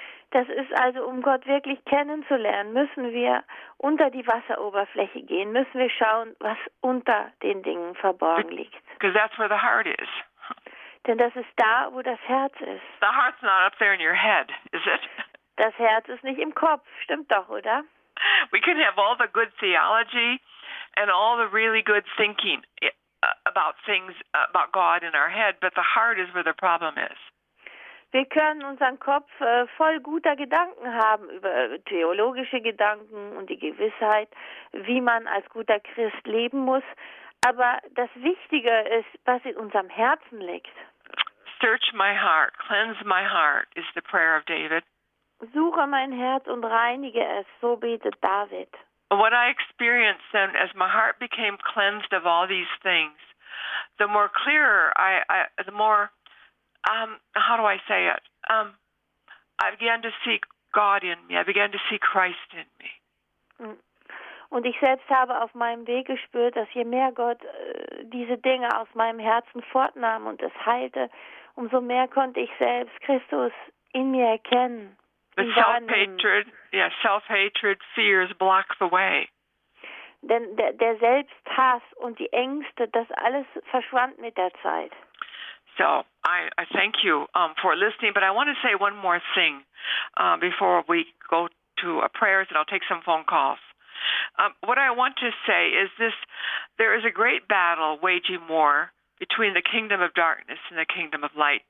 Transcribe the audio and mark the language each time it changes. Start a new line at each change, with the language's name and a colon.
German: Das ist also, um Gott wirklich kennenzulernen, müssen wir unter die Wasseroberfläche gehen, müssen wir schauen, was unter den Dingen verborgen liegt.
English: Because that's where the heart is.
German: Denn das ist da, wo das Herz ist.
English: The heart's not up there in your head, is it?
German: Das Herz ist nicht im Kopf, stimmt doch, oder?
English: We can have all the good theology and all the really good thinking about things, about God in our head, but the heart is where the problem is.
German: Wir können unseren Kopf voll guter Gedanken haben über theologische Gedanken und die Gewissheit, wie man als guter Christ leben muss. Aber das Wichtige ist, was in unserem Herzen liegt.
English: Search my heart, cleanse my heart, is the prayer of David.
German: Suche mein Herz und reinige es, so betet David.
English: What I experienced then, as my heart became cleansed of all these things, the more clearer I began to see God in me. I began to see Christ in me.
German: Und ich selbst habe auf meinem Weg gespürt, dass je mehr Gott diese Dinge aus meinem Herzen fortnahm und es heilte, umso mehr konnte ich selbst Christus in mir erkennen.
English: But self-hatred, fears block the way.
German: Denn der Selbsthass und die Ängste, das alles verschwand mit der Zeit.
English: So, I thank you for listening, but I want to say one more thing before we go to prayers and I'll take some phone calls. What I want to say is this, there is a great battle waging war between the kingdom of darkness and the kingdom of light.